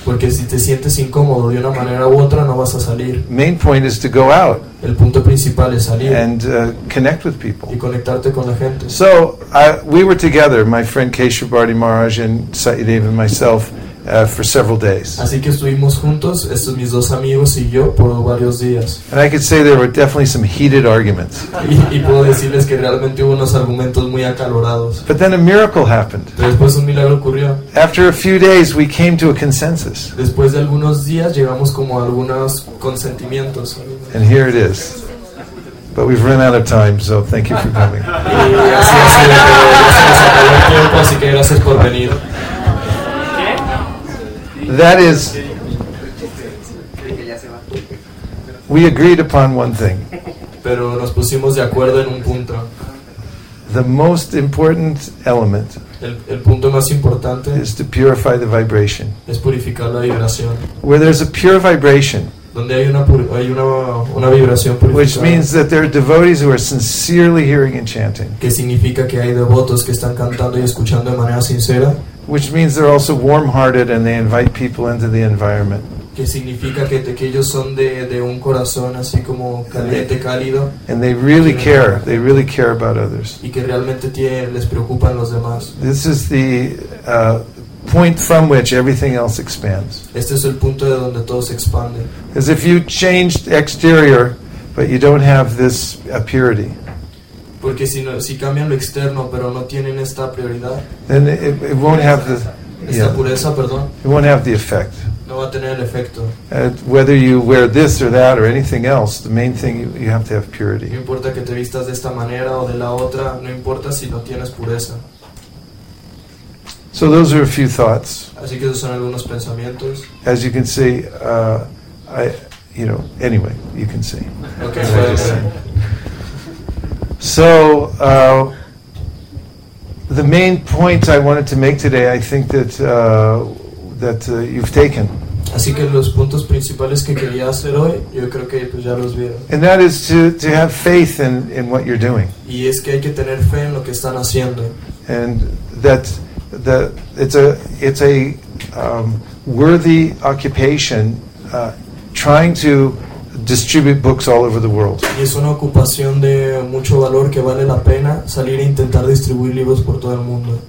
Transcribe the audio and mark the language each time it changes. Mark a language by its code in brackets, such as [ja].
[es] Porque si te sientes incómodo de una manera u otra, no vas a salir. [en] Main point is to go out. [es] El punto principal es salir. [en] And connect with people. [es] Y conectarte con la gente. [en] So we were together, my friend Keshava Bharati Maharaj and Satyadev and myself, for several days. [es] Así que estuvimos juntos, estos mis dos amigos y yo, por varios días. [en] And I could say there were definitely some heated arguments. [es] Y puedo decirles que realmente hubo unos argumentos muy acalorados. [en] But then a miracle happened. [es] Pero después un milagro ocurrió. [en] After a few days, we came to a consensus. [es] Después de algunos días, llegamos como a algunos consentimientos. [en] And here it is. But we've run out of time, so thank you for coming. [es] Así que gracias por venir. [en] That is, we agreed upon one thing. [es] Pero nos pusimos de acuerdo en un punto. [en] The most important element [es] el punto más importante [en] is to purify the vibration. [es] Es purificar la vibración. [en] Where there's a pure vibration, [es] donde hay una vibración purificada, [en] which means that there are devotees who are sincerely hearing and chanting. [es] Que significa que hay devotos que están cantando y escuchando de manera sincera. [en] Which means they're also warm-hearted and they invite people into the environment. [es] Que significa que ellos son de un corazón así como caliente, cálido. [en] And they really care. They really care about others. [es] Y que realmente les preocupan los demás. [en] This is the point from which everything else expands. [es] Este es el punto de donde todo se expande. [en] As if you changed exterior, but you don't have this purity. [es] Porque si cambian lo externo pero no tienen esta prioridad, [en] then it won't have it won't have the effect. [es] No va a tener el efecto. [en] Whether you wear this or that or anything else, the main thing you have to have purity. [es] No importa que te vistas de esta manera o de la otra, no importa si no tienes pureza. [en] So those are a few thoughts. [es] Así que esos son algunos pensamientos. [en] As you can see, anyway, you can see. Okay, so I just said. So, the main point I wanted to make today, I think that you've taken. [es] Así que los puntos principales que quería hacer hoy, yo creo que pues ya los vieron. [en] And that is to have faith in what you're doing. [es] Y es que hay que tener fe en lo que están haciendo. [en] And that it's a worthy occupation trying to distribute books all over the world. [es] Y es una ocupación de mucho valor que vale la pena salir e intentar distribuir libros por todo el mundo.